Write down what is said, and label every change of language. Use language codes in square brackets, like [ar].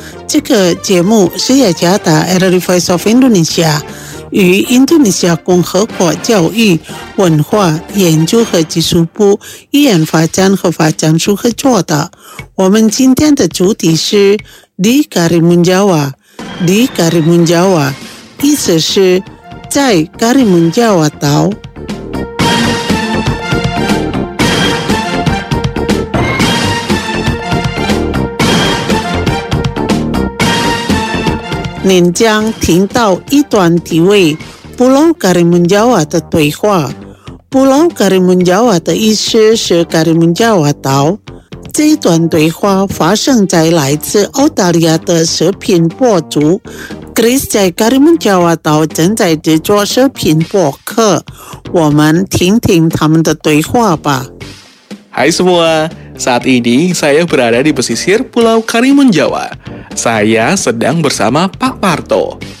[zh] 这个节目是雅加达 RRI Voice of Indonesia。与印度尼西亚共和国教育文化研究和技术部语言发展和发展处合作的。我们今天的主题是 Di Karimunjawa。 Di Karimunjawa 意思是在 Karimunjawa 岛。您将听到一段题为 Pulau Karimun Jawa 的对话。 Pulau Karimun Jawa 的意思是 Karimun Jawa 岛。这段对话发生在来自澳大利亚的食品博主 Chris 在 Karimun Jawa 岛正在制作食品博客。我们听听他们的对话吧。 [id] Hai semua, saat ini saya berada di pesisir Pulau Karimun Jawa. Saya sedang bersama Pak Parto.